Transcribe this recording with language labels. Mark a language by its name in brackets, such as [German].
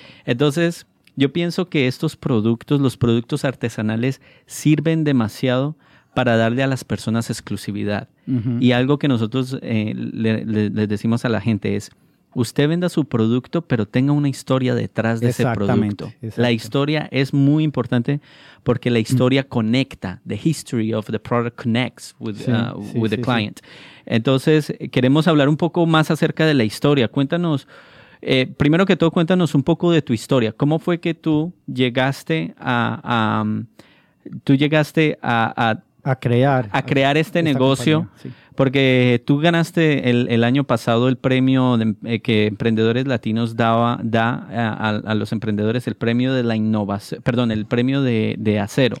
[Spanish] Entonces, yo pienso que estos productos, los productos artesanales, sirven demasiado para darle a las personas exclusividad. Y algo que nosotros le decimos a la gente es, usted venda su producto, pero tenga una historia detrás de ese producto. La historia es muy importante porque la historia conecta. [English] The history of the product connects with, with the client. [Spanish] Sí. Entonces, queremos hablar un poco más acerca de la historia. Cuéntanos, primero que todo, cuéntanos un poco de tu historia. ¿Cómo fue que tú llegaste a crear este negocio? Porque tú ganaste el año pasado el premio que Emprendedores Latinos da a los emprendedores, el premio de la innovación, perdón, el premio de acero.